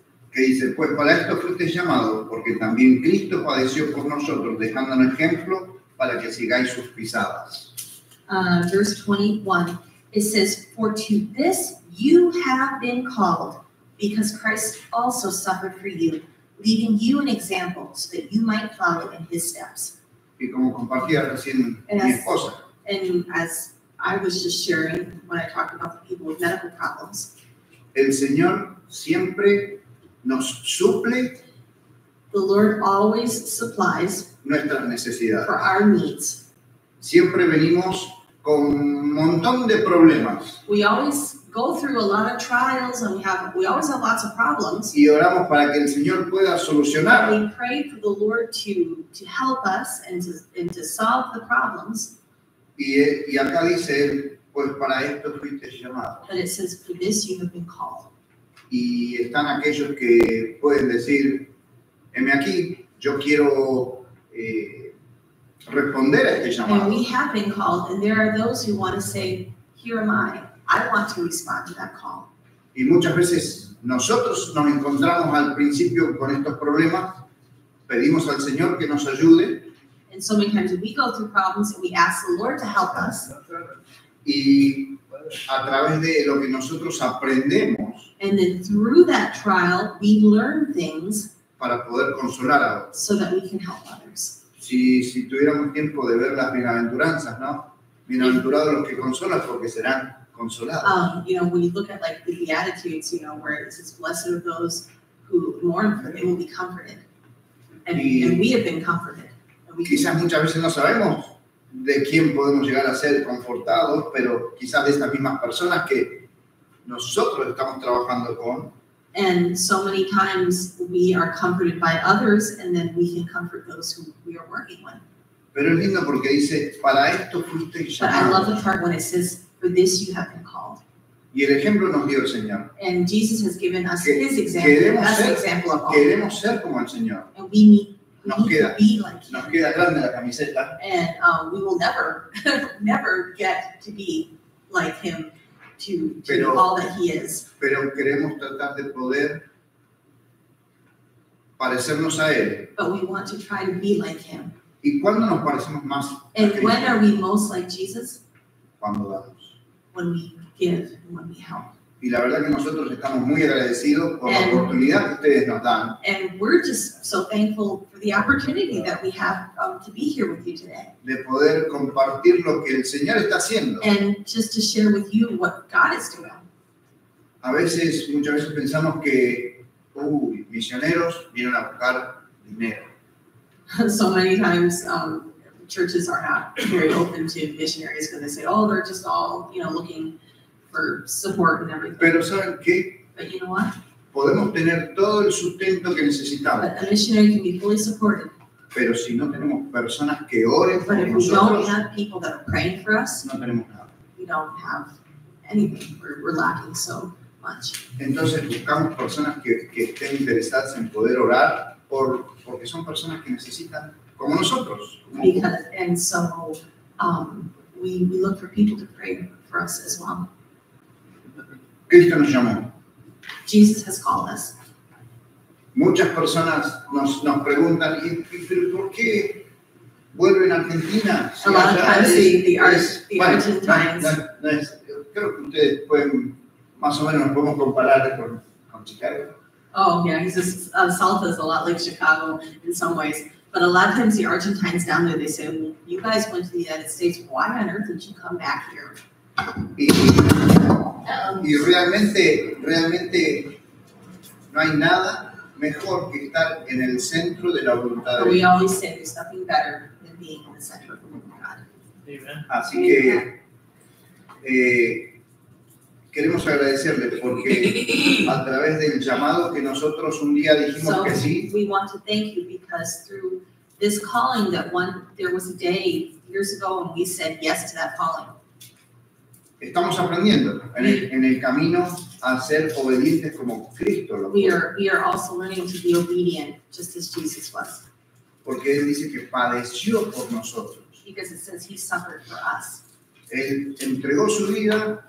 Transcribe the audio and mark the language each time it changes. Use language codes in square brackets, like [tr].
[es] Que dice, pues para esto fuiste llamado, porque también Cristo padeció por nosotros, dejando un ejemplo para que sigáis sus pisadas. [en] Verse 21, it says, for to this you have been called, because Christ also suffered for you, leaving you an example, so that you might follow in his steps. [es] Y como compartía recién mi esposa. [en] And as I was just sharing when I talked about the people with medical problems. [es] El Señor siempre nos suple. [en] The Lord always supplies [es] nuestras necesidades. [en] For our needs. [es] Siempre venimos con un montón de problemas. [en] We always go through a lot of trials and we always have lots of problems. [es] Y oramos para que el Señor pueda solucionar. [en] We pray for the Lord to help us and to solve the problems. [es] Y acá dice, pues para esto fuiste llamado. [en] But it says, for this you have been called. [es] Y están aquellos que pueden decir, heme aquí, yo quiero responder a este llamado. [en] And we have been called, and there are those who want to say, here am I. I want to respond to that call. [es] Y muchas veces nosotros nos encontramos al principio con estos problemas, pedimos al Señor que nos ayude. [en] And so many times we go through problems and we ask the Lord to help us. [es] Y a través de lo que nosotros aprendemos. [en] And then through that trial, we learn things. [es] Para poder consolar a otros. [en] So that we can help others. [es] Si tuviéramos tiempo de ver las bienaventuranzas, ¿no? Bienaventurados los que consolan porque serán consolados. [en] You know, when you look at like the Beatitudes, you know, where it says, blessed are those who mourn, for they will be comforted. And we have been comforted. [es] Quizás muchas veces no sabemos de quién podemos llegar a ser confortados, pero quizás de estas mismas personas que nosotros estamos trabajando con. [en] And so many times we are comforted by others, and then we can comfort those who we are working with. [es] Pero es lindo porque dice, para esto fuiste llamado. [en] But I love the part when it says, for this you have been called. [es] Y el ejemplo nos dio el Señor. [en] And Jesus has given us his example. [es] Queremos ser como el Señor. [en] And we need [es] nos queda grande la camiseta. [en] And we will never, never get to be like him, to all that he is. [es] Pero queremos tratar de poder parecernos a él. [en] But we want to try to be like him. [es] ¿Y cuándo nos parecemos más? [en] And when are we most like Jesus? [es] Cuando damos. [en] When we give, when we help. [es] Y la verdad que nosotros estamos muy agradecidos por la oportunidad que ustedes nos dan. [en] And we're just so thankful for the opportunity that we have to be here with you today. [es] De poder compartir lo que el Señor está haciendo. [en] And just to share with you what God is doing. [es] A veces, muchas veces pensamos que, misioneros vienen a buscar dinero. [en] So many times, churches are not very open to missionaries because they say, oh, they're just all, you know, looking for support and everything. [es] Pero ¿saben qué? [en] But you know what? [es] Podemos tener todo el sustento que necesitamos. [en] But a missionary can be fully supported. [es] Pero si no tenemos personas que oren por nosotros, [en] but if we don't have people that are praying for us, [es] no tenemos nada. [en] We don't have anything. We're lacking so much. [es] Entonces buscamos personas que estén interesadas en poder orar porque son personas que necesitan como nosotros. [en] We look for people to pray for us as well. [es] Cristo nos llamó. [en] Jesus has called us. [es] Muchas personas nos preguntan, ¿pero por qué vuelven a Argentina? [en] A lot of times Argentines. [es] Creo que ustedes pueden, más o menos, podemos comparar con Chicago. [en] Oh, yeah, Salta is a lot like Chicago in some ways. But a lot of times the Argentines down there, they say, well, you guys went to the United States, why on earth did you come back here? [es] Y realmente no hay nada mejor que estar en el centro de la voluntad de Dios. [en] We always say there's nothing better than being in the center of the will of God. Amen. [es] Así que queremos agradecerle porque a través del llamado que nosotros un día dijimos que sí. [en] We want to thank you because through this calling that one there was a day years ago and we said yes to that calling. [es] Estamos aprendiendo en el camino a ser obedientes como Cristo lo fue. [en] We are also learning to be obedient just as Jesus was. [es] Porque Él dice que padeció por nosotros. [en] Because it says He suffered for us. [es] Él entregó su vida.